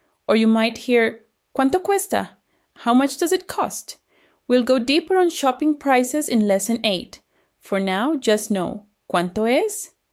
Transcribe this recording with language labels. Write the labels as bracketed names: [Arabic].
[English] Or you might hear, [Spanish] ¿cuánto cuesta? [English] How much does it cost? We'll go deeper on shopping prices in lesson 8. For now, just know, [Spanish] ¿cuánto es?